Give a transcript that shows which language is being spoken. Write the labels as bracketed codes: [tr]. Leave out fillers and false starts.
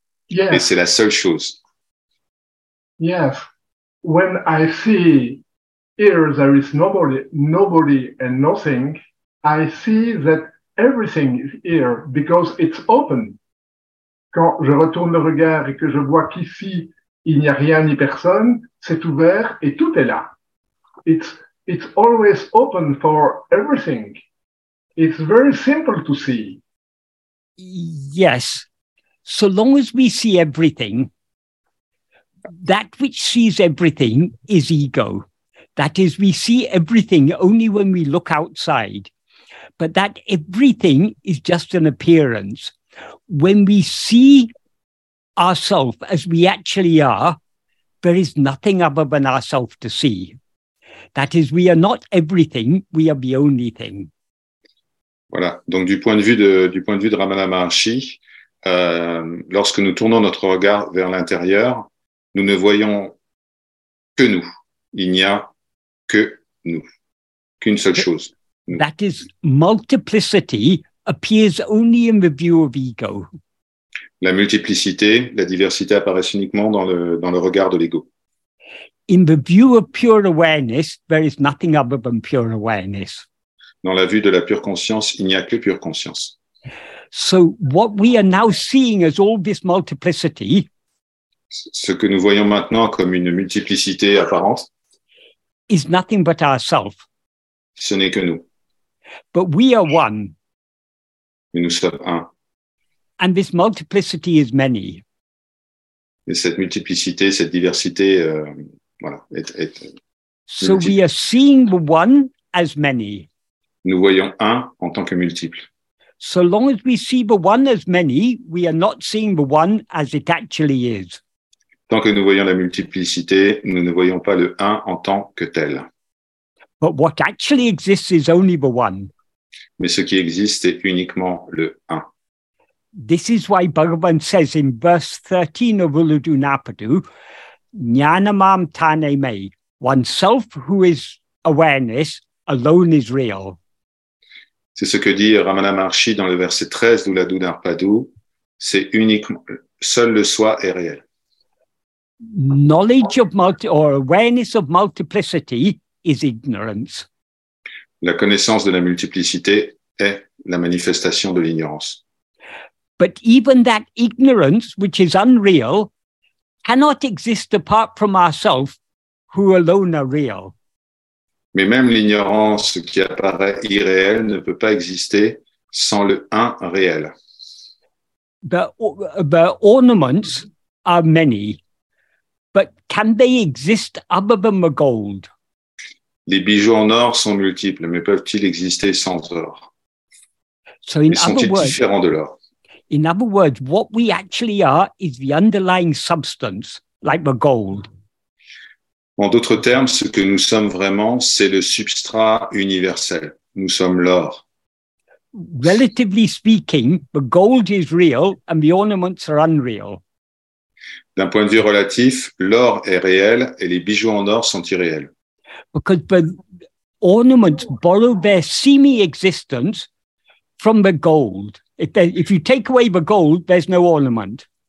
[en] Yes. [fr] Et c'est la seule chose. [en] Yes. When I see here there is nobody and nothing, I see that everything is here because it's open. [fr] Quand je retourne le regard et que je vois qu'ici il n'y a rien ni personne, c'est ouvert et tout est là. [en] It's always open for everything. It's very simple to see. Yes. So long as we see everything, that which sees everything is ego. That is, we see everything only when we look outside. But that everything is just an appearance. When we see ourselves as we actually are, there is nothing other than ourselves to see. That is, we are not everything, we are the only thing. [fr] Voilà. Donc, du point de vue de Ramana Maharshi, lorsque nous tournons notre regard vers l'intérieur, nous ne voyons que nous. Il n'y a que nous, qu'une seule chose. Nous. [en] That is, multiplicity appears only in the view of ego. [fr] La multiplicité, la diversité apparaissent uniquement dans le regard de l'ego. [en] In the view of pure awareness, there is nothing other than pure awareness. [fr] Dans la vue de la pure conscience, il n'y a que pure conscience. [en] So what we are now seeing as all this multiplicity, [fr] ce que nous voyons maintenant comme une multiplicité apparente, [en] is nothing but ourselves. [fr] Ce n'est que nous. [en] But we are one. [fr] Et nous sommes un. [en] And this multiplicity is many. [fr] Et cette multiplicité, cette diversité, voilà. Est [en] so we are seeing the one as many. [fr] Nous voyons un en tant que multiple. [en] So long as we see the one as many, we are not seeing the one as it actually is. [fr] Tant que nous voyons la multiplicité, nous ne voyons pas le un en tant que tel. [en] But what actually exists is only the one. [fr] Mais ce qui existe est uniquement le un. [en] This is why Bhagavan says in verse 13 of Uludunapadu, Jnanamam Tane Me, oneself who is awareness alone is real. [fr] C'est ce que dit Ramana Maharshi dans le verset 13 d'Uludunapadu, c'est uniquement, seul le soi est réel. [en] Knowledge of awareness of multiplicity is ignorance. [fr] La connaissance de la multiplicité est la manifestation de l'ignorance. [en] But even that ignorance, which is unreal, cannot exist apart from ourselves, who alone are real. [fr] Mais même l'ignorance qui apparaît irréelle ne peut pas exister sans le un réel. [en] The ornaments are many, but can they exist other than the gold? [fr] Les bijoux en or sont multiples, mais peuvent-ils exister sans or? [en] So in [fr] mais sont-ils [en] words, [fr] différents de l'or? [en] In other words, what we actually are is the underlying substance, like the gold. [fr] En d'autres termes, ce que nous sommes vraiment, c'est le substrat universel. Nous sommes l'or. [en] Relatively speaking, the gold is real and the ornaments are unreal. [fr] D'un point de vue relatif, l'or est réel et les bijoux en or sont irréels. [en] Because the ornaments borrow their semi-existence from the gold. If you take away the gold, there's no ornament.